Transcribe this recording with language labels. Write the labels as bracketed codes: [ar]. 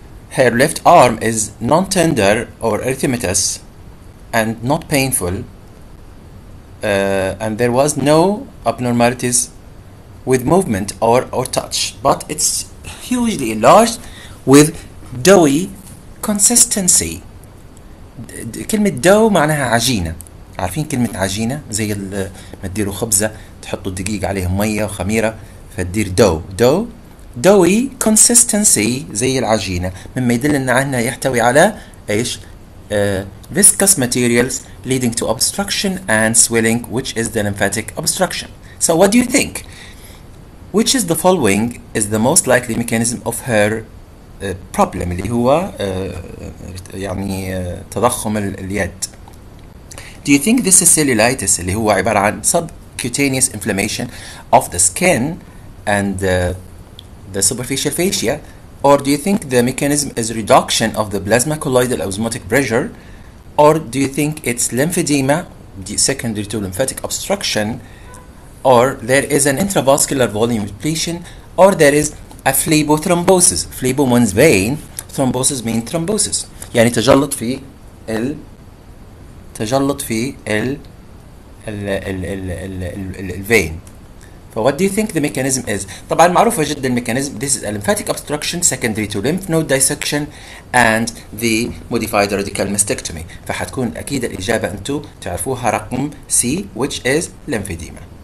[en] Her left arm is non-tender or erythematous and not painful. And there was no abnormalities with movement or touch, but it's hugely enlarged with doughy consistency. [ar] كلمة دو معناها عجينة، عارفين كلمة عجينة؟ زي ما تديروا خبزة تحطوا الدقيق عليه مية وخميرة فتدير دو، دو doughy consistency زي العجينة، مما يدل أنها يحتوي على إيش؟ [en] viscous materials leading to obstruction and swelling which is the lymphatic obstruction. So what do you think? Which is the following is the most likely mechanism of her problem [ar] اللي هو يعني تضخم اليد. [en] Do you think this is cellulitis [ar] اللي هو عبارة عن [en] subcutaneous inflammation of the skin and the superficial fascia, or do you think the mechanism is reduction of the plasma colloidal osmotic pressure, or do you think it's lymphedema secondary to lymphatic obstruction, or there is an intravascular volume depletion, or there is a phlebothrombosis. Phlebo means vein, thrombosis means thrombosis. [ar] يعني تجلط في ال تجلط في ال ال ال ال ال ال ال ال vein. [en] So what do you think the mechanism is? [ar] طبعا معروفة جدا mechanism. [en] This is a lymphatic obstruction secondary to lymph node dissection and the modified radical mastectomy. [ar] فحتكون أكيد الإجابة أنتو تعرفوها رقم C [en] which is lymphedema.